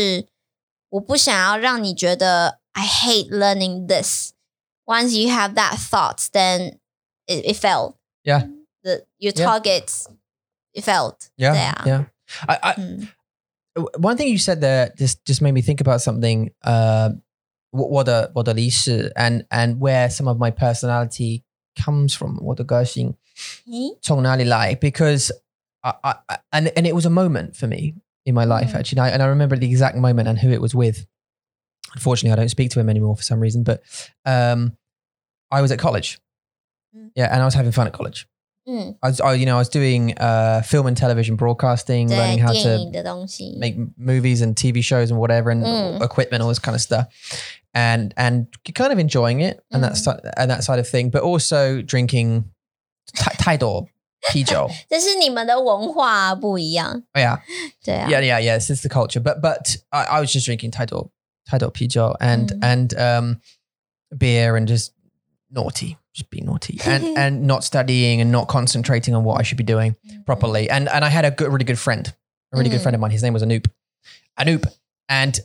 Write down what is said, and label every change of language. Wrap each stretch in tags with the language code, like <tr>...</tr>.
<zh>所以呢，我也没有在，我还没有停止学习英文。那有时候我也会觉得学英文说英文很烦，很累。所以我知道你们学中文的感觉是什么，我知道那个挫败的感觉是怎么样。所以我会很喜欢，就是在比较快乐的在上课的原因，就是我不想要让你觉得</zh> <en>I hate learning this. Once you have that thought, then it failed. Yeah. Your targets, it failed. Yeah. One thing you said there just made me think about something. And where some of my personality comes from.</en> <zh>我的个性从哪里来?</zh> <en>Because I it was a moment for me in my life, actually. And I remember the exact moment and who it was with. Unfortunately, I don't speak to him anymore for some reason, but I was at college. Yeah, and I was having fun at college. I was doing film and television broadcasting, learning how to make movies and TV shows and whatever, and equipment, all this kind of stuff. And kind of enjoying it and that side of thing, but also drinking Taidor.</en> <zh>啤酒。这是你们的文化不一样。</zh> <en>Yeah, it's the culture. But I was just drinking Taidor Pijo and beer and just being naughty and not studying and not concentrating on what I should be doing properly. And I had a really good friend of mine. His name was Anoop. And</en>